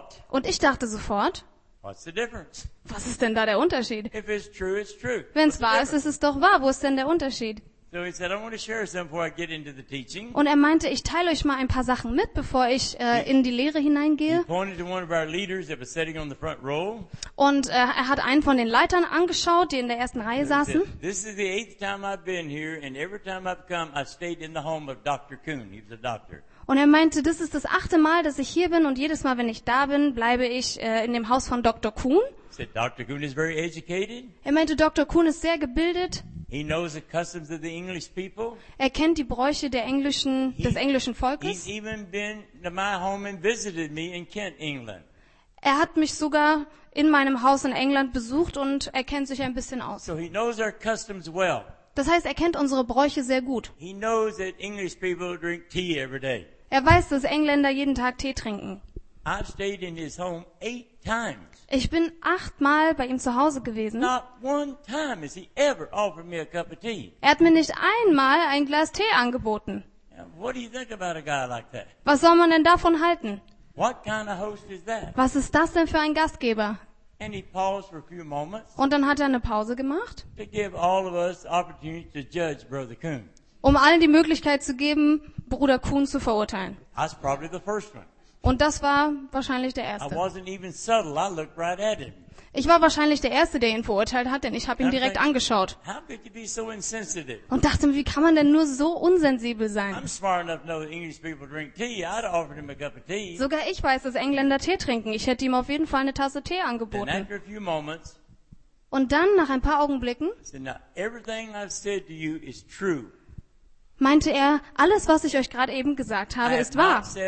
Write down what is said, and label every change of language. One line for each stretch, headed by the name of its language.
German: Und ich dachte sofort, was ist denn da der Unterschied? Wenn es wahr ist, ist es doch wahr. Wo ist denn der Unterschied?
English: So he said, I want to share some before I get into the teaching.
German: Und er meinte, ich teile euch mal ein paar Sachen mit, bevor ich in die Lehre hineingehe.
English: He pointed to one of our leaders that was sitting on the front row.
German: Und er hat einen von den Leitern angeschaut, die in der ersten Reihe saßen.
English: Said, this is the eighth time I've been here, and every time I've come, I stayed in the home of Dr. Kuhn. He was a doctor.
German: Und er meinte, das ist das achte Mal, dass ich hier bin, und jedes Mal, wenn ich da bin, bleibe ich in dem Haus von Dr. Kuhn.
English: Said, Dr. Kuhn is very educated.
German: Er meinte, Dr. Kuhn ist sehr gebildet.
English: He knows the customs of the English people.
German: Er kennt die Bräuche der englischen, des englischen Volkes.
English: He's even been to my home and visited me in Kent, England.
German: Er hat mich sogar in meinem Haus in England besucht und er kennt sich ein bisschen aus.
English: So he knows our customs well.
German: Das heißt, er kennt unsere Bräuche sehr gut.
English: He knows that English people drink tea every day.
German: Er weiß, dass Engländer jeden Tag Tee trinken.
English: I've stayed in his home 8 times.
German: Ich bin 8 Mal bei ihm zu Hause gewesen.
English: Not one time has he ever offered me a cup of tea.
German: Er hat mir nicht einmal ein Glas Tee angeboten.
English: What do you think about a guy like that?
German: Was soll man denn davon halten?
English: What kind of host is that?
German: Was ist das denn für ein Gastgeber?
English: And he paused for a few moments.
German: Und dann hat er eine Pause gemacht.
English: To give all of us the opportunity to judge Brother Kuhn.
German: Um allen die Möglichkeit zu geben, Bruder Kuhn zu verurteilen.
English: That's probably the first one.
German: Und das war wahrscheinlich der Erste.
English: I wasn't even subtle. I looked right at him.
German: Ich war wahrscheinlich der Erste, der ihn verurteilt hat, denn ich habe ihn direkt angeschaut.
English: How could you be so insensitive?
German: Und dachte mir, wie kann man denn nur so unsensibel sein?
English: I'm smart enough to know that English people drink tea. I'd offered him a cup of tea.
German: Sogar ich weiß, dass Engländer Tee trinken. Ich hätte ihm auf jeden Fall eine Tasse Tee angeboten.
English: Then after a few moments,
German: und dann, nach ein paar Augenblicken,
English: I said, now, everything I've said to you is true.
German: Meinte er, alles, was ich euch gerade eben gesagt habe, ist wahr.